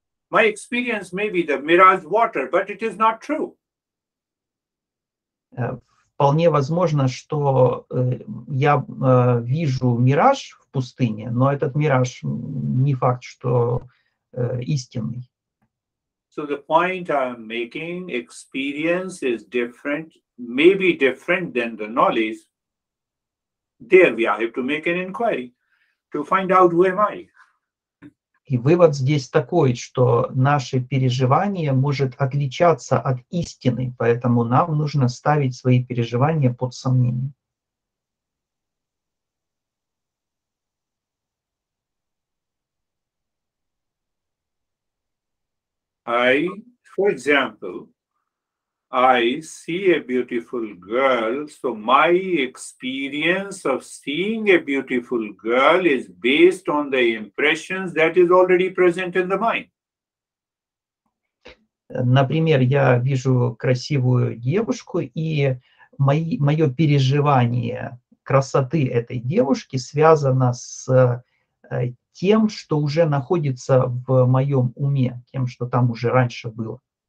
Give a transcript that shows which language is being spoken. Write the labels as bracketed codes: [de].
[en] My experience may be the mirage water, but it is not true. [ru] Вполне возможно, что я вижу мираж в пустыне, но этот мираж не факт, что истинный. [en] So the point I'm making, experience is different, maybe different than the knowledge. There we are. I have to make an inquiry to find out who am I. [ru] И вывод здесь такой, что наше переживание может отличаться от истины, поэтому нам нужно ставить свои переживания под сомнение. [en] I, for example, I see a beautiful girl, so my experience of seeing a beautiful girl is based on the impressions that is already present in the mind. [ru] Например, я вижу красивую девушку, и мое переживание красоты этой девушки связано с тем, что уже находится в моем уме, тем, что там уже раньше было.